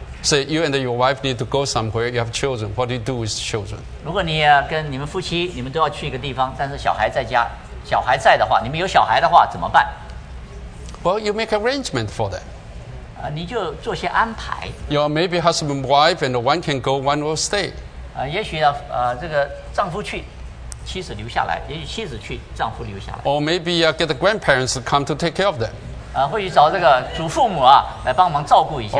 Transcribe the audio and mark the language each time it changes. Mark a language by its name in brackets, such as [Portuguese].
[English] ？Say you and your wife need to go somewhere. You have children. What do you do with children？ [Chinese] 如果你跟你们夫妻，你们都要去一个地方，但是小孩在家，小孩在的话，你们有小孩的话怎么办 [English] ？Well, you make arrangement for them. [Chinese] 你就做些安排。 [English] You know, maybe husband, wife, and one can go, one will stay. [Chinese] 也许这个丈夫去，妻子留下来；也许妻子去，丈夫留下来。 [English] Or maybe get the grandparents to come to take care of them. [Chinese] 或许找这个祖父母来帮忙照顾一下。